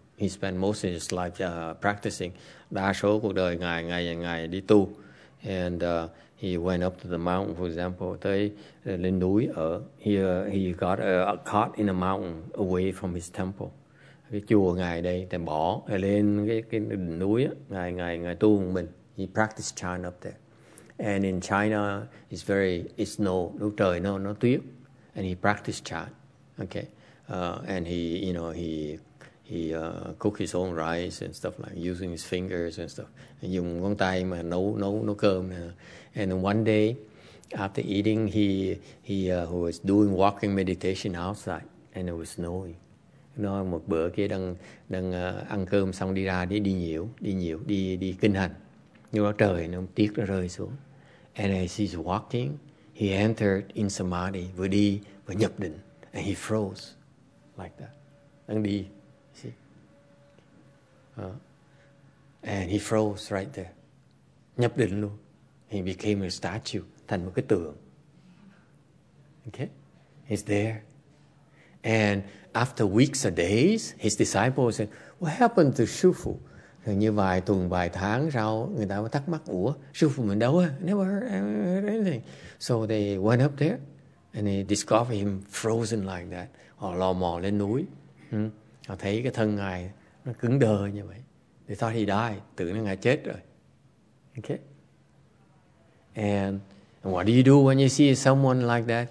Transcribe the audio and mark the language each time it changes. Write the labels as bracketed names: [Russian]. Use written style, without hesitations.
[English] He spent most of his life practicing. [Vietnamese] Đa số cuộc đời ngài đi tu. [English] And he went up to the mountain, for example, [Vietnamese] tới lên núi ở. [English] He got caught in a mountain away from his temple. [Vietnamese] Cái chùa ngài đây thì bỏ lên cái đỉnh núi á, ngài tu một mình. [English] He practiced chan up there. And in China it's snow, [Vietnamese] lúc trời nó tuyết, [English] and he practiced chan. Okay. And he cook his own rice and stuff, like using his fingers and stuff, and [Vietnamese] dùng ngón tay mà nấu cơm. [English] And one day after eating he was doing walking meditation outside, and it was snowing. [Vietnamese] Nó một bữa kia đang ăn cơm xong đi ra đi kinh hành, nhưng mà trời nó tiết nó rơi xuống. [English] And as he's walking, he entered in samadhi, [Vietnamese] vừa đi vừa nhập định, [English] and he froze like that. [Vietnamese] Đang đi, see? [English] And he froze right there, [Vietnamese] nhập định luôn. [English] He became a statue, [Vietnamese] thành một cái tượng. [English] Okay, he's there. And after weeks or days, his disciples said, "What happened to Sư Phụ?" [Vietnamese] Như vài tuần, vài tháng sau, người ta mới thắc mắc, "Ủa, Sư Phụ mình đâu? [English] Never heard anything." So they went up there, and they discovered him frozen like that. [Vietnamese] Họ lò mò lên núi. Họ thấy cái thân ngài nó cứng đờ như vậy. [English] They thought he died. [Vietnamese] Tưởng là ngài chết rồi. [English] Okay. And what do you do when you see someone like that?